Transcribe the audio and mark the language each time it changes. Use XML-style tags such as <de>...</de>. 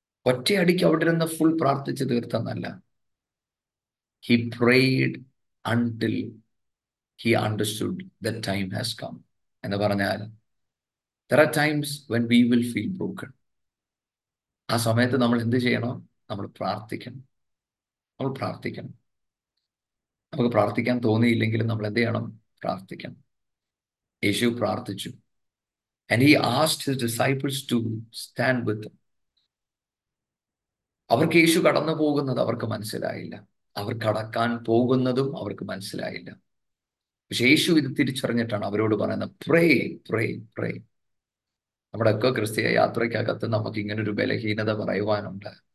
<ml>ഒറ്റയടിക്ക് അവിടെ ഇരുന്ന് ഫുൾ പ്രാർത്ഥിച്ച് തീർത്തെന്നല്ല,</ml> <en>He prayed until he understood the time has come.</en> <ml>എന്ന് പറഞ്ഞാൽ</ml> <en>there are times when we will feel broken.</en> <ml>ആ സമയത്ത് നമ്മൾ എന്ത് ചെയ്യണം? നമ്മൾ പ്രാർത്ഥിക്കണം. നമ്മൾ പ്രാർത്ഥിക്കണം. നമുക്ക് പ്രാർത്ഥിക്കാൻ തോന്നിയില്ലെങ്കിലും നമ്മൾ എന്ത് ചെയ്യണം? പ്രാർത്ഥിക്കണം. യേശു പ്രാർത്ഥിച്ചു.</ml> <en>And he asked his disciples to stand with him.</en> <ml>അവർക്ക് യേശു കടന്നു പോകുന്നത് അവർക്ക് മനസ്സിലായില്ല. അവർ കടക്കാൻ പോകുന്നതും അവർക്ക് മനസ്സിലായില്ല. പക്ഷേ യേശു ഇത് തിരിച്ചറിഞ്ഞിട്ടാണ് അവരോട് പറയുന്നത്</ml> <en>Pray pray pray.</en> <ml>നമ്മുടെയൊക്കെ ക്രിസ്തീയ യാത്രയ്ക്കകത്ത് നമുക്ക് ഇങ്ങനെ ഒരു ബലഹീനത പറയുവാനുണ്ട്.</ml>